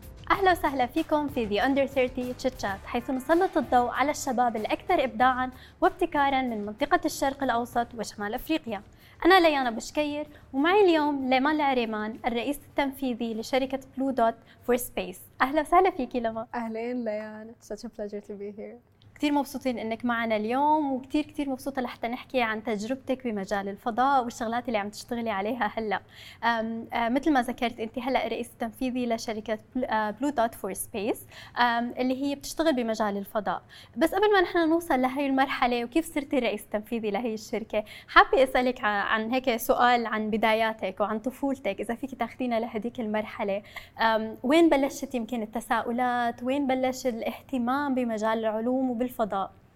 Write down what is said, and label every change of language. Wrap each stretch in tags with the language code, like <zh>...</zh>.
<ar>أهلا وسهلا فيكم في The Under 30 Chit Chat، حيث نسلط الضوء على الشباب الأكثر إبداعاً وابتكاراً من منطقة الشرق الأوسط وشمال أفريقيا. أنا ليانا بشكير ومعي اليوم ليمان العريمان، الرئيس التنفيذي لشركة Blue Dot for Space. أهلا وسهلا فيكي ليمان. أهلين ليان،</ar> <en>It's such a pleasure to be here.</en> <ar>كتير مبسوطين انك معنا اليوم، وكتير كتير مبسوطة لحتى نحكي عن تجربتك بمجال الفضاء والشغلات اللي عم تشتغلي عليها هلأ. مثل ما ذكرت انت هلأ رئيس التنفيذي لشركة Blue Dot for Space اللي هي بتشتغل بمجال الفضاء، بس قبل ما نحن نوصل لهي المرحلة وكيف صرتي رئيس التنفيذي لهي الشركة، حابة اسألك عن هيك سؤال عن بداياتك وعن طفولتك، اذا فيك تاخدينا لهديك المرحلة، وين بلشت يمكن التساؤلات، وين بلش الاهتمام بمجال العلوم بالفضاء؟</ar>